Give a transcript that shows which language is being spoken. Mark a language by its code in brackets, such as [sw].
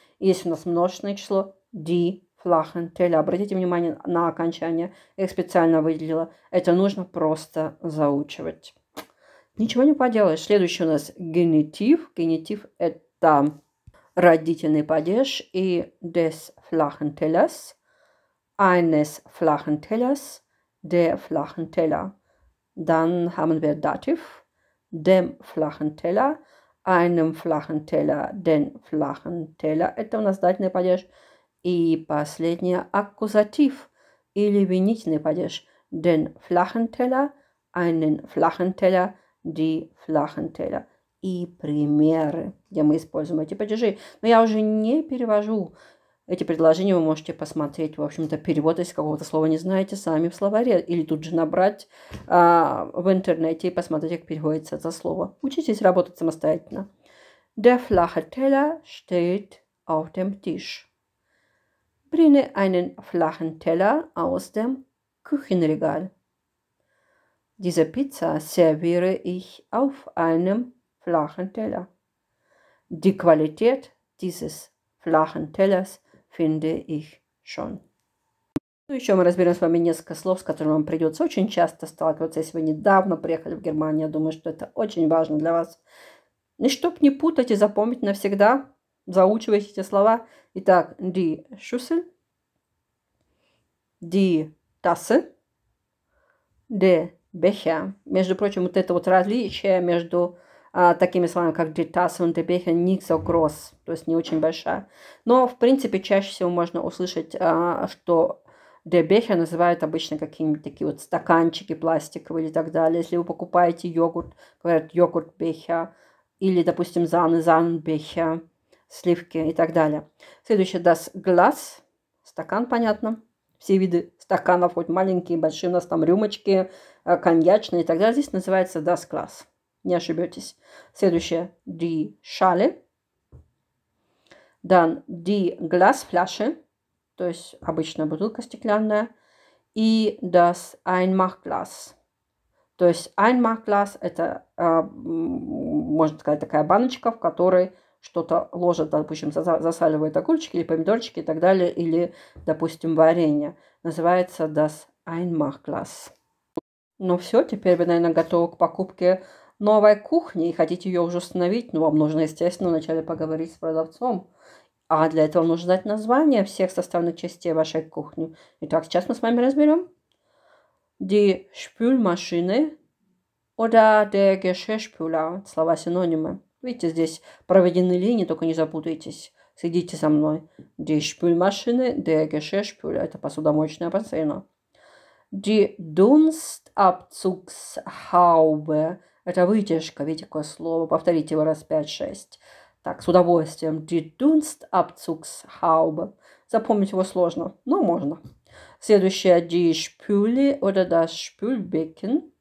[ru] Если у нас множественное число, [de] die flachen Teller. [ru] Обратите внимание на окончание, я их специально выделила. Это нужно просто заучивать. Ничего не поделаешь. Следующий у нас генитив. Генитив – это родительный падеж. И [de] des flachen Tellers. eines flachen Tellers, der flachen Teller. Dann haben wir Dativ, dem flachen Teller, einem flachen Teller, den flachen Teller. [ru] Это у нас дательный падеж. И последнее, Аккузатив или винительный падеж. [de] Den flachen Teller, einen flachen Teller, die flachen Teller. [ru] И примеры, где мы используем эти падежи. Но я уже не перевожу эти предложения, вы можете посмотреть, в общем-то, перевод, если какого-то слова не знаете, сами в словаре. Или тут же набрать в интернете и посмотреть, как переводится это слово. Учитесь работать самостоятельно. [de] Der flache Teller steht auf dem Tisch. Bringe einen flachen Teller aus dem Küchenregal. Diese Pizza serviere ich auf einem flachen Teller. Die Qualität dieses flachen Tellers finde ich schon. [ru] Ну, еще мы разберем с вами несколько слов, с которыми вам придется очень часто сталкиваться. Если вы недавно приехали в Германию, я думаю, что это очень важно для вас. И чтоб не путать и запомнить навсегда, заучивайте эти слова. [de] Итак, die Schüssel, die Tasse, der Becher. [ru] Между прочим, вот это вот различие между такими словами, как [de] die Tasse und der Becher, nicht so groß, [ru] то есть не очень большая. Но, в принципе, чаще всего можно услышать, что der Becher называют обычно какие-нибудь такие вот стаканчики пластиковые или так далее. Если вы покупаете йогурт, говорят йогурт Becher, или, допустим, Sahne Becher, сливки и так далее. Следующее, das Glas, стакан, понятно. Все виды стаканов, хоть маленькие, большие, у нас там рюмочки, коньячные и так далее. Здесь называется das Glas. Не ошибетесь. Следующее. [de] Die Schale. Dann die Glasflasche. [ru] То есть обычная бутылка стеклянная. [de] И das Einmachglas. [ru] То есть Einmachglas – это, можно сказать, такая баночка, в которой что-то ложат, допустим, засаливают огурчики или помидорчики и так далее, или, допустим, варенье. [de] Называется das Einmachglas. [ru] Ну все, теперь вы, наверное, готовы к покупке новой кухни и хотите ее уже установить, но вам нужно, естественно, вначале поговорить с продавцом. А для этого нужно знать название всех составных частей вашей кухни. Итак, сейчас мы с вами разберем. [de] Die Spülmaschine oder der Geschirrspüler. [ru] Слова-синонимы. Видите, здесь проведены линии, только не запутайтесь. Следите за мной. [de] Die Spülmaschine, der Geschirrspüler. [ru] Это посудомоечная бассейна. [de] Die Dunstabzugshaube. [ru] Это вытяжка, видите, какое слово. Повторите его раз 5-6. Так, с удовольствием. [de] Die Dunstabzugshaube. [ru] Запомнить его сложно, но можно. Следующее. [de] Die Spüle oder das Spülbecken.